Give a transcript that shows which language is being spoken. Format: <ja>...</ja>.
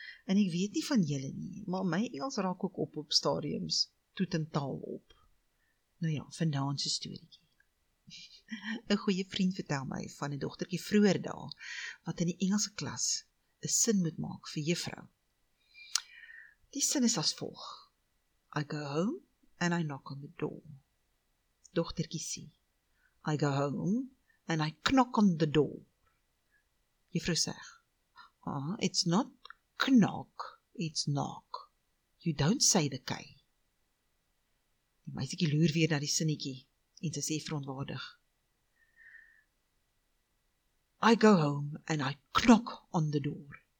<af>En ek weet nie van julle nie, maar my Engels raak ook op stadiums, toet en taal op. Nou ja, vanaand se storiekie. 'n Goeie vriend vertel my van 'n dogtertjie vroeër daar, wat in die Engelse klas 'n sin moet maak vir juffrou. Die sin is as volg.</af> <en>I go home and I knock on the door.</en> <af>Dogtertjie sê,</af> <en>I go home and I knock on the door.</en> <af>Juffrou sê,</af> <en>it's not knock, it's knock. You don't say the K.</en> <af>Die meisiekie loer weer na die sinnetjie, en sy sê verontwaardig.</af> <en>I go home and I knock on the door.</en>